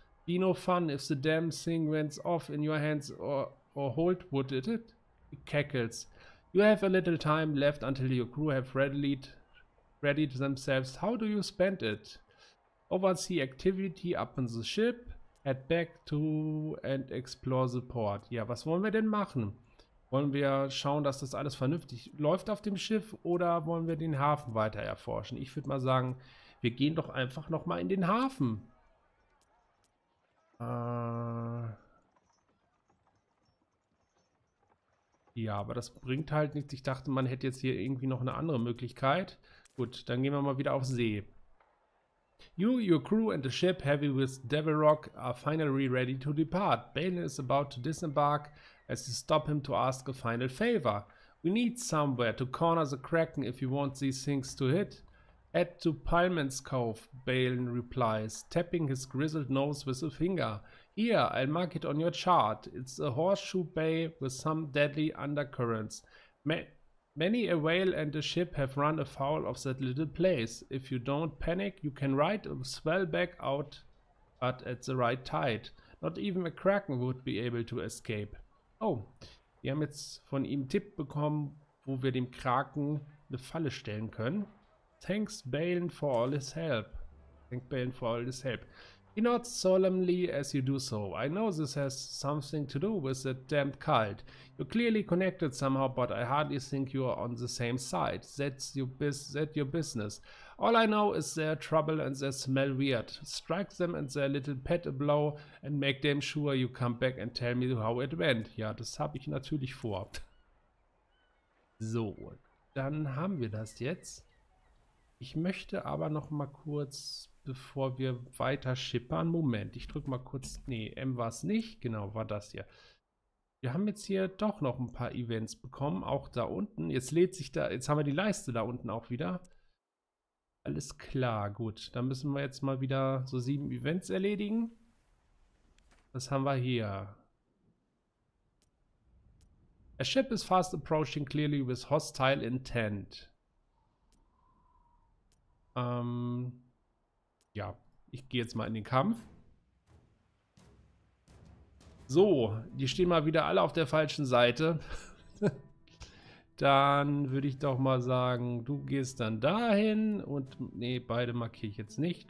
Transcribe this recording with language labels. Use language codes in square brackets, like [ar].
[en] Be no fun if the damn thing went off in your hands or hold, would it? It cackles. You have a little time left until your crew have readied themselves. How do you spend it? Oversee activity up in the ship, head back to and explore the port. [de] Ja, was wollen wir denn machen? Wollen wir schauen, dass das alles vernünftig läuft auf dem Schiff, oder wollen wir den Hafen weiter erforschen? Ich würde mal sagen, Wir gehen doch einfach noch mal in den Hafen. Ja, aber das bringt halt nichts. Ich dachte, man hätte jetzt hier irgendwie noch eine andere Möglichkeit. Gut, dann gehen wir mal wieder auf See. [en] You, your crew and the ship, heavy with Devil Rock, are finally ready to depart. Balin is about to disembark, as you stop him to ask a final favor. We need somewhere to corner the Kraken if you want these things to hit. Add to Pyman's Cove, Balin replies, tapping his grizzled nose with a finger. Here, I'll mark it on your chart. It's a horseshoe bay with some deadly undercurrents. Many a whale and a ship have run afoul of that little place. If you don't panic, you can ride a swell back out, but at the right tide. Not even a Kraken would be able to escape. [de] Oh, wir haben jetzt von ihm Tipp bekommen, wo wir dem Kraken eine Falle stellen können. [en] Thanks Balin for all his help. Thank Balin for all his help. He nods solemnly as you do so. I know this has something to do with that damned cult. You're clearly connected somehow, but I hardly think you are on the same side. That your business. All I know is their trouble and they smell weird. Strike them and their little pet a blow and make damn sure you come back and tell me how it went. [de] Ja, das habe ich natürlich vor. So, dann haben wir das jetzt. Ich möchte aber noch mal kurz, bevor wir weiter schippern. Moment, ich drücke mal kurz. Nee, M war es nicht. Genau, war das hier. Wir haben jetzt hier doch noch ein paar Events bekommen. Auch da unten. Jetzt lädt sich da. Jetzt haben wir die Leiste da unten auch wieder. Alles klar, gut. Dann müssen wir jetzt mal wieder so 7 Events erledigen. Was haben wir hier? [en] A ship is fast approaching clearly with hostile intent. [de] Ja, ich gehe jetzt mal in den Kampf. So, die stehen mal wieder alle auf der falschen Seite. Dann würde ich doch mal sagen, du gehst dann dahin und nee, beide markiere ich jetzt nicht.